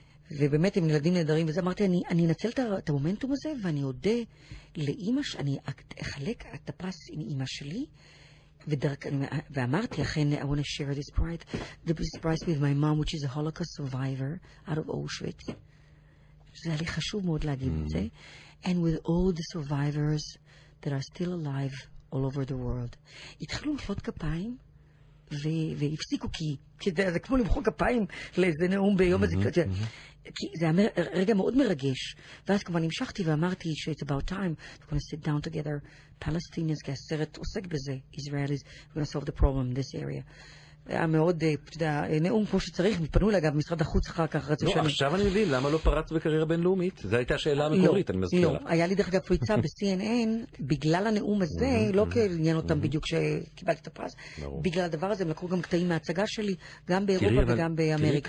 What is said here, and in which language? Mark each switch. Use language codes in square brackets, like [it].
[he] ובאמת הם ילדים נהדרים, וזה אמרתי, אני אנצל את המומנטום הזה, ואני עודה לאימא, אני אחלק את הפרס עם אימא שלי, ואמרתי, אכן, [en] I want to share this prize, with my mom, which is a Holocaust survivor, out of Auschwitz. [he] זה היה לי חשוב מאוד להגיד את זה. [en] And with all the survivors that are still alive all over the world. [he] התחלו מפות כפיים, והפסיקו, כי זה כמו למחוא כפיים לאיזה נאום ביום הזה. כי זה היה רגע מאוד מרגש. ואז כמובן המשכתי ואמרתי ש- [en] it's about time, we're going to sit down together, Palestinians, [he] כי הסרט עוסק בזה, [en] Israelis, we're going to solve the problem in this area. [he] היה מאוד, נאום כמו שצריך, מתפנו לגב, משרד החוץ אחר כך, רצו שאני... לא, עכשיו אני מבין, למה לא פרץ בקריירה בינלאומית? זו הייתה השאלה המקורית, אני מזכירה. לא, היה לי דרך אגב פריצה ב-CNN, בגלל הנאום הזה, לא כעניין אותם בדיוק שקיבלתי את הפרס, בגלל הדבר הזה, הם לקחו גם קטעים מההצגה שלי, גם באירופה וגם באמריקה.